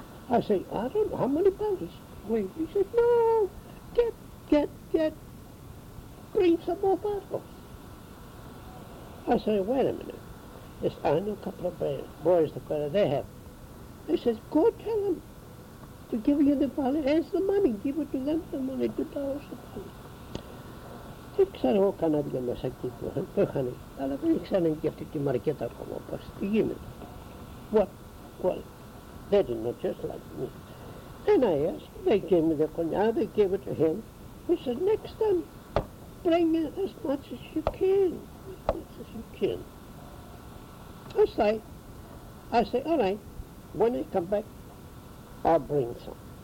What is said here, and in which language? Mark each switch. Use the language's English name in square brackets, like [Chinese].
[English] I say, I don't know, how many bottles? He said, no, get, bring some more bottles. I say, wait a minute. Yes, I know a couple of boys that they have. He says, go tell them to give you the money. Here's the money. Give it to them, the money, $2 a bottle. [Greek] Ήξερα εγώ κανένα δυο μέσα εκεί που είχαν, αλλά δεν ήξεραν και αυτή τη μαρκέτα ακόμα όπως τι γίνεται. [English] What? Well, they didn't know just like me. Then I asked, they gave me the cognac, they gave it to him. He said, next time, bring it as much as you can, as much as you can. I say, all right, when I come back, I'll bring some.